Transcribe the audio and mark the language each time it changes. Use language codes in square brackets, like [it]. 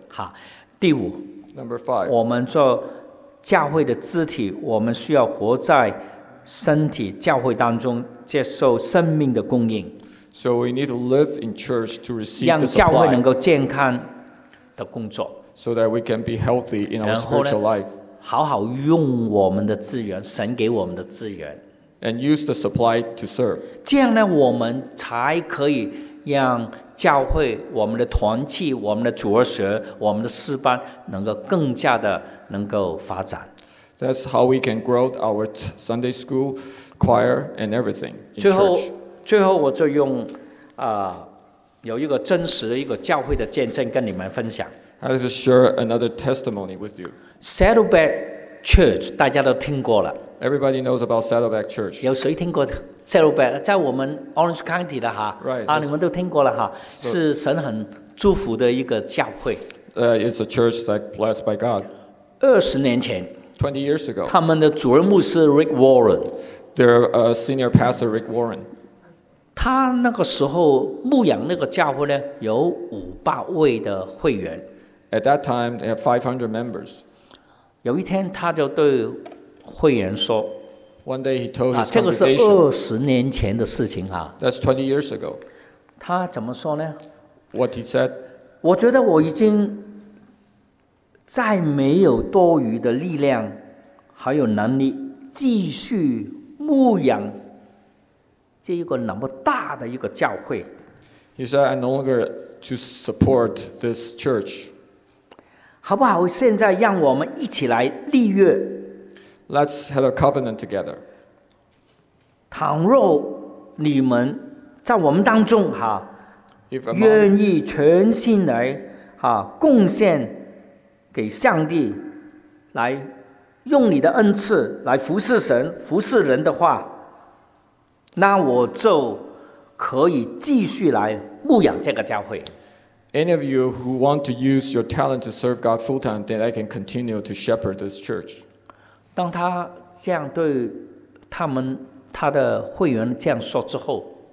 [zh] 好，第五。 [en] Number five. [zh] 我们做教会的肢体，我们需要活在身体教会当中，接受生命的供应。 [en] So we need to live in church to receive the supply. [zh] 让教会能够健康的工作。 [en] So that we can be healthy in our spiritual life. [zh] 好好用我们的资源，神给我们的资源。 [en] And use the supply to serve. [zh] 这样呢，我们才可以让教会、我们的团契、我们的主日学、我们的事班能够更加的能够发展。 [en] That's how we can grow our Sunday school choir and everything in church. [zh] 最后我就用有一个真实的一个教会的见证跟你们分享。 [en] I have to share another testimony with you. [zh] Saddleback Church, 大家都听过了。 [en] Everybody knows about Saddleback Church. [zh] 有谁听过 Saddleback? 在我们 Orange County 的 [en] Right, [zh] 你们都听过了是神很祝福的一个教会。 [en] It's a church that's blessed by God. 20 years ago. 20 years ago. [zh] 他们的主任牧师 Rick Warren. [en] Their senior pastor Rick Warren. [zh] 他那个时候牧养那个教会呢，有500位的会员。 [en] At that time, they had 500 members. [zh] 有一天，他就对会员说 [en] ：“One day he told his congregation, [zh] 这个是 [en] 20 years ago [zh] 的事情 [en] That's 20 years ago. [zh] 他怎么说呢 [en] ？What he said? [zh] 我觉得我已经再没有多余的力量，还有能力继续牧养这一个那么大的一个教会。 [en] He said, "I no longer to support this church." [zh] 好不好？现在让我们一起来立约。 [en] Let's have a covenant together. [zh] 倘若你们在我们当中愿意全心来贡献给上帝，来用你的恩赐来服侍神、服侍人的话，那我就可以继续来牧养这个教会。 [en] Any of you who want to use your talent to serve God full time, then I can continue to shepherd this church. [zh] 当他这样对他们他的会员这样说之后